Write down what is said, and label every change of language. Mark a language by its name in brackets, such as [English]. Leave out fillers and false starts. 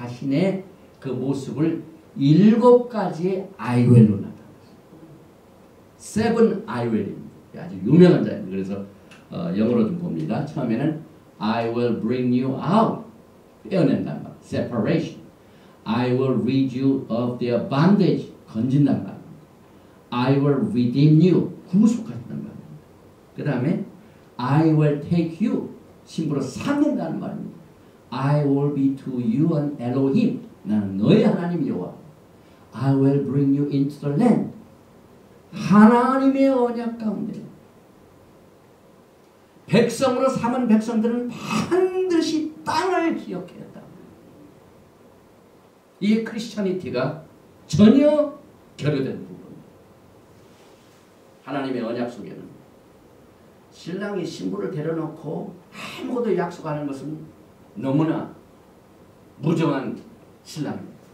[Korean] 자신의 그 모습을 일곱 가지의 I will로 나타냈어요. 7 I will입니다. 아주 유명한 자입니다. 그래서 영어로 좀 봅니다. 처음에는 [English] I will bring you out. [Korean] 빼어낸단 말. Separation. [English] I will rid you of their bondage. [Korean] 건진단 말. [English] I will redeem you. [Korean] 구속하신단 말입니다. 그 다음에 [English] I will take you. [Korean] 심부로 삼는다는 말입니다. [English] I will be to you an Elohim. [Korean] 나는 너의 하나님 여호와. [English] I will bring you into the land. [Korean] 하나님의 언약 가운데. 백성으로 삼은 백성들은 반드시 땅을 기억해야 한다. 이 크리스천이티가 전혀 결여된 부분입니다. 하나님의 언약 속에는 신랑이 신부를 데려놓고 아무것도 약속하는 것은 너무나 무정한 신랑입니다.